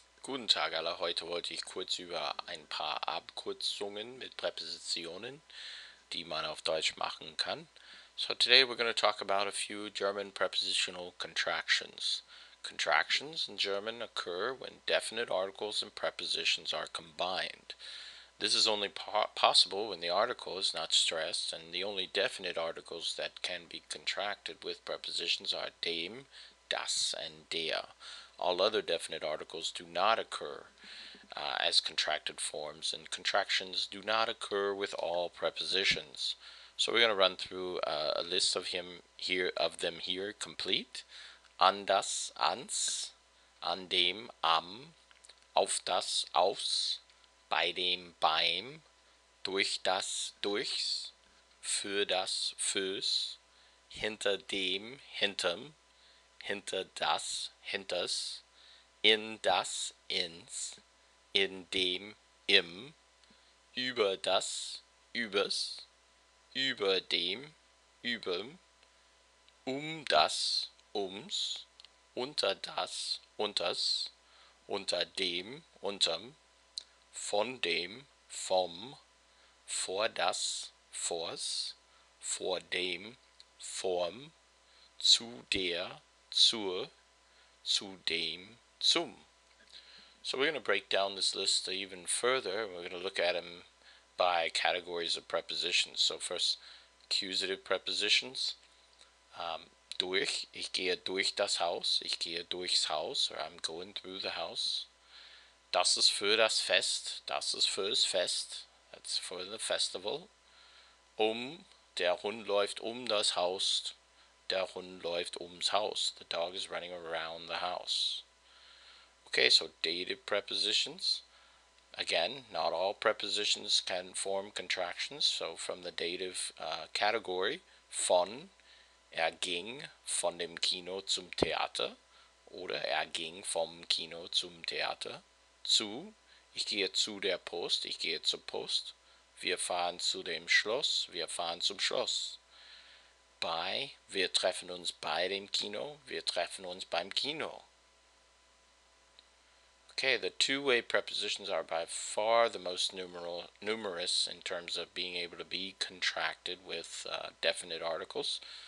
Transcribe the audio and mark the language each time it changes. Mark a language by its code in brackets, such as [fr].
[de] Guten Tag alle, heute wollte ich kurz über ein paar Abkürzungen mit Präpositionen, die man auf Deutsch machen kann. [en] So today we're going to talk about a few German prepositional contractions. Contractions in German occur when definite articles and prepositions are combined. This is only possible when the article is not stressed and the only definite articles that can be contracted with prepositions are dem, das and der. All other definite articles do not occur as contracted forms, and contractions do not occur with all prepositions. So we're going to run through a list of them here, complete. [de] An das, ans, an dem, am, auf das, aufs, bei dem, beim, durch das, durchs, für das, fürs, hinter dem, hinterm, hinter das, hinters, in das, ins, in dem, im, über das, übers, über dem, überm, um das, ums, unter das, unters, unter dem, unterm, von dem, vom, vor das, vors, vor dem, vorm, zu der, zur, zu dem, zum. [en] So we're going to break down this list even further. We're going to look at them by categories of prepositions. So first, accusative prepositions. [de] Durch, ich gehe durch das Haus. Ich gehe durchs Haus, [en] or I'm going through the house. [de] Das ist für das Fest. Das ist fürs Fest. [en] That's for the festival. [de] Der Hund läuft um das Haus. Der Hund läuft ums Haus. [en] The dog is running around the house. Okay, so dative prepositions. Again, not all prepositions can form contractions. So from the dative category, [de] von, er ging von dem Kino zum Theater. Oder er ging vom Kino zum Theater. Zu, ich gehe zu der Post. Ich gehe zur Post. Wir fahren zu dem Schloss. Wir fahren zum Schloss. Bei, wir treffen uns bei dem Kino, wir treffen uns beim Kino. [en] Okay, the two-way prepositions are by far the most numerous in terms of being able to be contracted with definite articles.